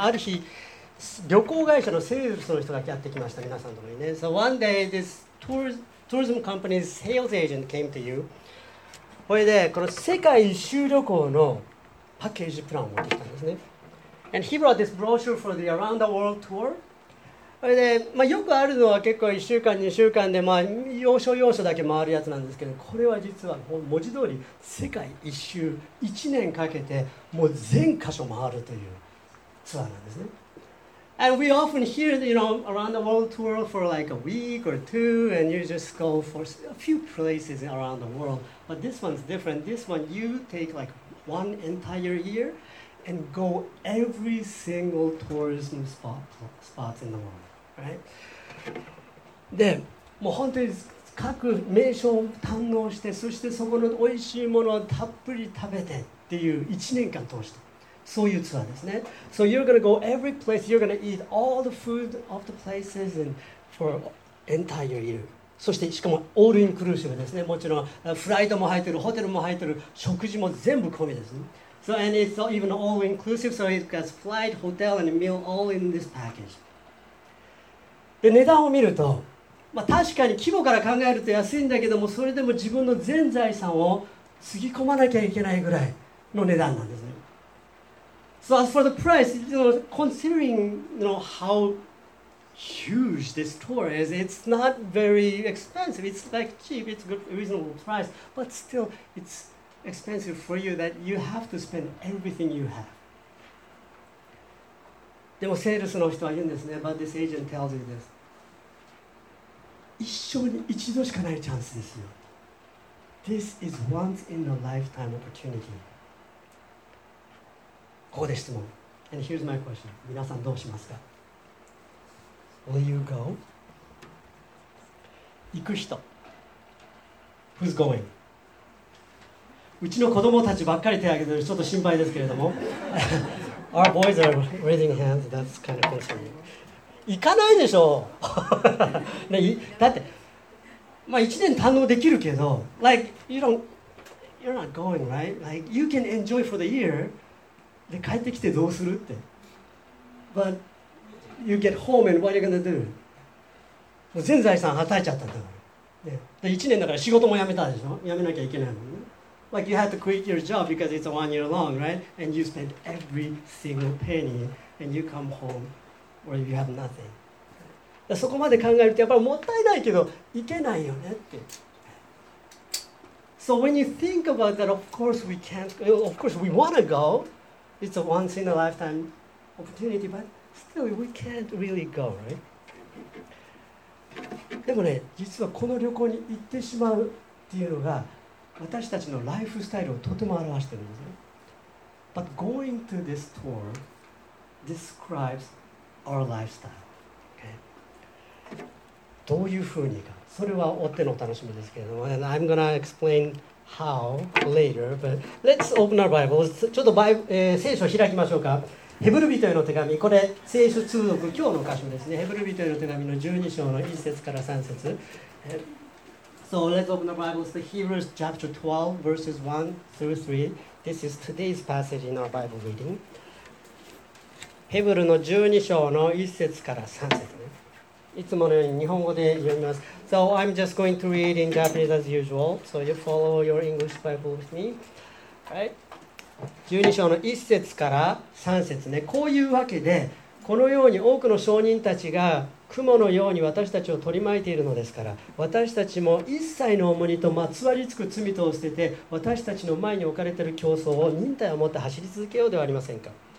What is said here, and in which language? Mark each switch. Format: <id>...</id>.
<ja>ある日旅行会社のセールスの人がやってきました、皆さんのところにね。</ja> <en>So one day this tourism company's sales agent came to you。</en> <ja>これでこの世界一周旅行のパッケージプランを持ってきたんですね。</ja> <en>And he brought this brochure for the around the world tour。</en> <ja>これで、まあ、よくあるのは結構1週間2週間で、まあ、要所要所だけ回るやつなんですけど、これは実は文字通り世界一周1年かけてもう全箇所回るというツアーなんですね。</ja> <en>And we often hear, you know, around the world tour for like a week or two, and you just go for a few places around the world. But this one's different. This one, you take like one entire year and go every single tourism spot in the world, right?</en> <ja>で、もう本当に各名所を堪能して、そしてそこの美味しいものをたっぷり食べてっていう1年間通して。そういうツアーですね。</ja> <en>So you're gonna go every place, you're gonna eat all the food of the places and for entire year.</en> <ja>そしてしかもオールインクルーシブですね。もちろんフライトも入ってる、ホテルも入ってる、食事も全部込みですね。</ja> <en>So and it's even all inclusive, so it has flight, hotel and meal all in this package.</en> <ja>で、値段を見ると、まあ、確かに規模から考えると安いんだけども、それでも自分の全財産をつぎ込まなきゃいけないぐらいの値段なんですね。</ja> <en>So as for the price, you know, considering you know, how huge this tour is, it's not very expensive. It's like cheap, it's a reasonable price, but still it's expensive for you that you have to spend everything you have.</en> <ja>でもセールスの人は言うんですね。</ja> <en>But this agent tells you this.</en> <ja>一生に一度しかないチャンスですよ。</ja> <en>This is once in a lifetime opportunity.</en> <ja>ここで質問。</ja> <en>And here's my question.</en> <ja>皆さんどうしますか?</ja> <en>Will you go?</en> <ja>行く人。</ja> <en>Who's going?</en> <ja>うちの子供たちばっかり手を挙げてるちょっと心配ですけれども。</ja> <en>Our boys are raising hands. That's kind of concerning.</en> <ja>行かないでしょう。だって、まあ1年堪能できるけど、</ja> <en>Like, you're not going, right? Like, you can enjoy for the year.</en> <ja>で帰ってきてどうするって。</ja> <en>But you get home and what are you gonna do?</en> <ja>もう全財産はたいちゃったんだから。で1年だから仕事も辞めたでしょ。辞めなきゃいけないもんね。</ja> <en>Like you had to quit your job because it's a one year long, right? And you spent every single penny and you come home where you have nothing.</en> <ja>だそこまで考えるとやっぱりもったいないけど行けないよねって。</ja> <en>So when you think about that, of course we can't, of course we wanna go. It's a once in a lifetime opportunity, but still we can't really go, right?</en> <ja>でもね、実はこの旅行に行ってしまうっていうのが私たちのライフスタイルをとても表してるんですね。</ja> <en>But going to this tour describes our lifestyle. Okay?</en> <ja>どういうふうにか、それは追っての楽しみですけれども、</ja> <en>and I'm gonna explain. How later, but let's open our Bibles.</en> <ja>ちょっとバイ、聖書を開きましょうか。ヘブル人への手紙、これ聖書通読今日の箇所ですね。ヘブル人への手紙の12章の1節から3節。</ja> <en>So let's open our Bibles to Hebrews chapter 12, verses 1 through 3. This is today's passage in our Bible reading.</en> <ja>ヘブルの12章の1節から3節、ね。いつものように日本語で読みます。</ja> <en>So I'm just going to read in Japanese as usual. So you follow your English Bible with me. Right.</en> <ja>12章の1節から3節ね。こういうわけで、このように多くの証人たちが雲のように私たちを取り巻いているのですから、私たちも一切の重荷とまつわりつく罪とを捨てて、私たちの前に置かれている競争を忍耐を持って走り続けようではありませんか。</ja>